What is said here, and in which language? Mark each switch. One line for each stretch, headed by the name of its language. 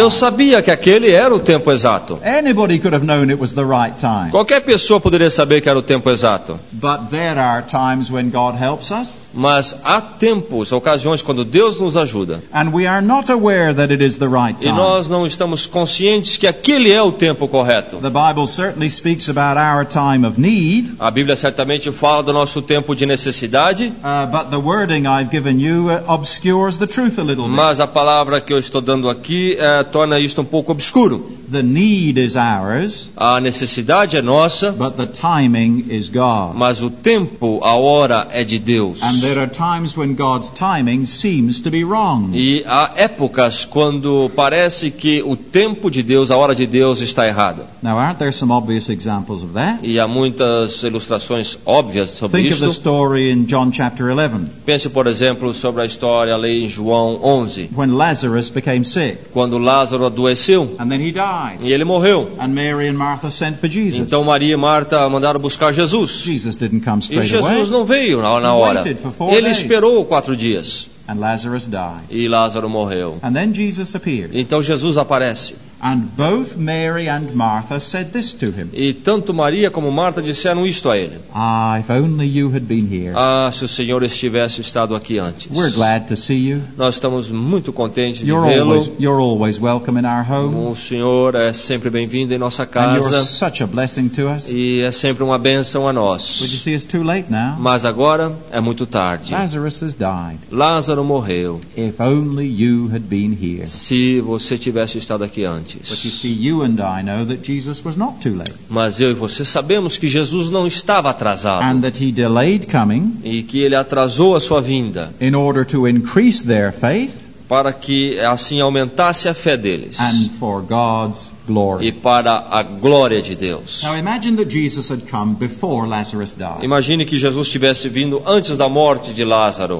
Portuguese: Eu sabia que aquele era o tempo exato.
English: Anybody could have known it was the right time.
Portuguese: Qualquer pessoa poderia saber que era o tempo exato.
English: But there are times when God helps us.
Portuguese: Mas há tempos, ocasiões quando Deus nos ajuda.
English: And we are not aware that it is the right time.
Portuguese: E nós não estamos conscientes que aquele é o tempo correto.
English: The Bible certainly speaks about our time of need.
Portuguese: A Bíblia certamente fala do nosso tempo de necessidade.
English: But the wording I've given you obscures the truth a little bit.
Portuguese: Mas a palavra que eu estou dando aqui torna isto pouco obscuro.
English: The need is ours.
Portuguese: A necessidade é nossa.
English: But the timing is God.
Portuguese: Mas o tempo, a hora é de Deus.
English: And there are times when God's timing seems to be wrong.
Portuguese: E há épocas quando parece que o tempo de Deus, a hora de Deus está errada.
English: Now, aren't there some obvious examples of that?
Portuguese: E há muitas ilustrações óbvias sobre
English: Think
Portuguese: isto.
English: Of the story in John chapter 11.
Portuguese: Pense, por exemplo, sobre a história ali em João 11.
English: When Lazarus became sick.
Portuguese: Quando Lázaro adoeceu.
English: And then he died.
Portuguese: E ele morreu.
English: And Mary and Martha sent for Jesus.
Portuguese: Então Maria e Marta mandaram buscar Jesus.
English: Jesus didn't come straight away.
Portuguese: E Jesus não veio na hora. Ele esperou 4 dias.
English: And Lazarus died.
Portuguese: E Lázaro morreu.
English: And then Jesus appeared.
Portuguese: Então Jesus aparece.
English: And both Mary and Martha said this to him.
Portuguese: E tanto Maria como Marta disseram isto a ele.
English: Ah, if only you had been here.
Portuguese: Ah, se o Senhor estivesse estado aqui antes.
English: We're glad to see you.
Portuguese: Nós estamos muito contentes
English: you're
Portuguese: de vê-lo.
English: You're always welcome in our home.
Portuguese: O Senhor é sempre bem-vindo em nossa casa.
English: And you're such a blessing to us.
Portuguese: E é sempre uma bênção a nós.
English: But you see, it's too late now.
Portuguese: Mas agora é muito tarde.
English: Lazarus has died.
Portuguese: Lázaro morreu.
English: If only you had been here.
Portuguese: Se você tivesse estado aqui antes.
English: But you see, you and I know that Jesus was not too late.
Portuguese: Mas eu e você sabemos que Jesus não estava atrasado.
English: And that he delayed coming.
Portuguese: E que ele atrasou a sua vinda.
English: In order to increase their faith.
Portuguese: Para que assim aumentasse a fé deles.
English: And for God's glory.
Portuguese: E para a glória de Deus.
English: Now imagine that Jesus had come before Lazarus died.
Portuguese: Imagine que Jesus tivesse vindo antes da morte de Lázaro.